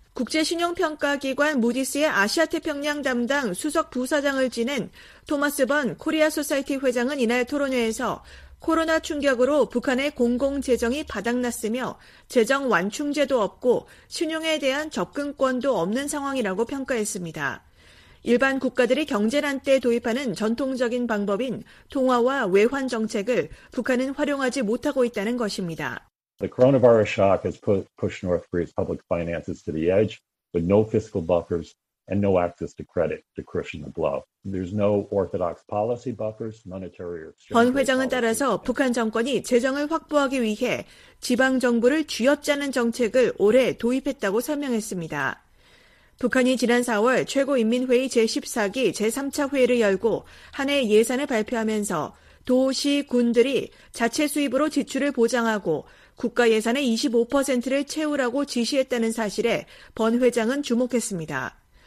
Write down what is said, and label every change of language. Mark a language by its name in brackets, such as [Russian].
[Korean] 국제신용평가기관 무디스의 아시아태평양 담당 수석부사장을 지낸 토마스 번 코리아소사이티 회장은 이날 토론회에서 코로나 충격으로 북한의 공공재정이 바닥났으며 재정 완충제도 없고 신용에 대한 접근권도 없는 상황이라고 평가했습니다. 일반 국가들이 경제난 때 도입하는 전통적인 방법인 통화와 외환 정책을 북한은 활용하지 못하고 있다는 것입니다. [English] The coronavirus shock has pushed North Korea's public finances to the edge with no fiscal buffers and no access to credit to cushion the blow. There's no orthodox policy buffers, monetary or exchange. [Korean] 권 회장은 따라서 북한 정권이 재정을 확보하기 위해 지방 정부를 쥐어짜는 정책을 올해 도입했다고 설명했습니다. 북한이 지난 4월 최고인민회의 제14기 제3차 회의를 열고 한해 예산을 발표하면서 도시, 군들이 자체 수입으로 지출을 보장하고 국가 예산의 25%를 채우라고 지시했다는 사실에 번 회장은 주목했습니다.